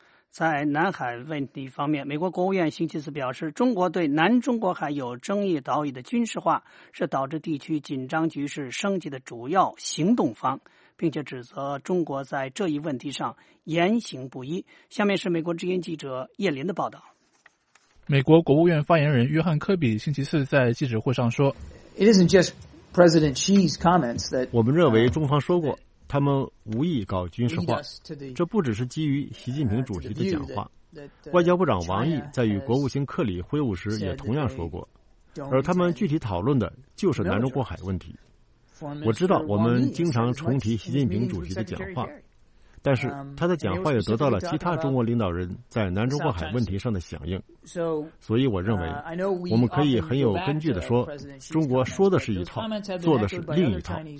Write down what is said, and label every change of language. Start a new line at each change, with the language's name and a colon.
Chinese: 在南海问题方面，美国国务院星期四表示，中国对南中国海有争议岛屿的军事化是导致地区紧张局势升级的主要行动方，并且指责中国在这一问题上言行不一。下面是美国之音记者叶林的报道。美国国务院发言人约翰·科比星期四在记者会上说，
English: It isn't just President Xi's comments that
Chinese: 我们认为中方说过他们无意搞军事化，这不只是基于习近平主席的讲话，外交部长王毅在与国务卿克里会晤时也同样说过，而他们具体讨论的就是南中国海问题。我知道我们经常重提习近平主席的讲话，但是他的讲话也得到了其他中国领导人在南中国海问题上的响应，所以我认为我们可以很有根据地说，中国说的是一套，做的是另一套。